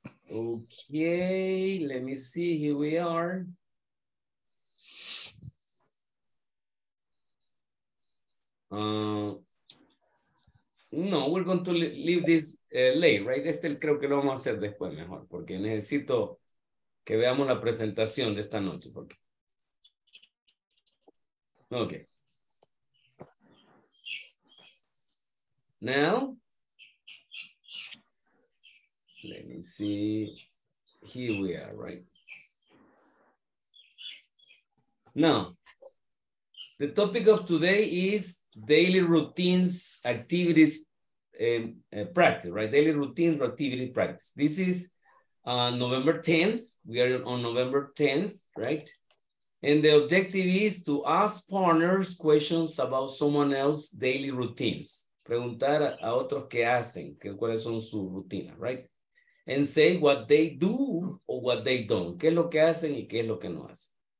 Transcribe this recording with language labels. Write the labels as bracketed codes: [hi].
[en] Okay, let me see. Here we are. No, we're going to leave this late, right? [es] Este creo que lo vamos a hacer después mejor, porque necesito que veamos la presentación de esta noche. Porque... [en] Okay. Now, let me see. Here we are, right? Now, the topic of today is daily routines, activities, practice, right? Daily routines, activity, practice. This is November 10th. We are on November 10th, right? And the objective is to ask partners questions about someone else's daily routines. [es] Preguntar a otros qué hacen, cuáles son sus rutinas, right? [en] And say what they do or what they don't. [es] ¿Qué es lo que hacen y qué es lo que no hacen?